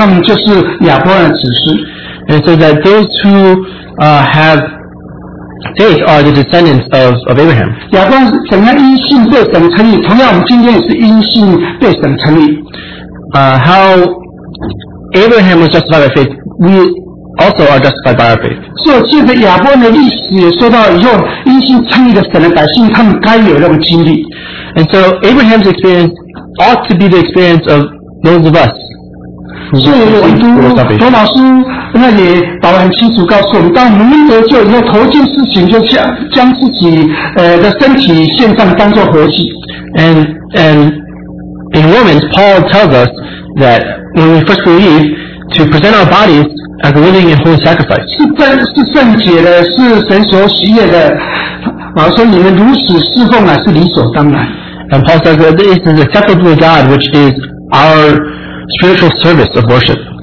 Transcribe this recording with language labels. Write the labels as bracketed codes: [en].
[zh] 到迦太书第三章来告诉我们说，凡是以信心为本的人，他们就是亚伯拉罕的子嗣。 [en] And so that those who have faith are the descendants of Abraham. [zh] 亚伯拉罕怎样因信被神称义，同样我们今天也是因信被神称义。 [en] How Abraham was justified by faith, we also are justified by our faith. [zh] 所以，这个亚伯的历史也说到以后因信称义的神的百姓，他们该有那种经历。 [en] And so Abraham's experience ought to be the experience of those of us. [zh] 所以，我们读罗马书，那里保罗很清楚告诉我们，当蒙恩得救以后，头一件事情就将自己的身体献上，当作活祭。 [en] And in Romans, Paul tells us that when we first believe, to present our bodies as a living and holy sacrifice. [zh] 是圣洁的，是神所喜悦的。 [en] And Paul says that this is acceptable to God, which is our spiritual service of worship.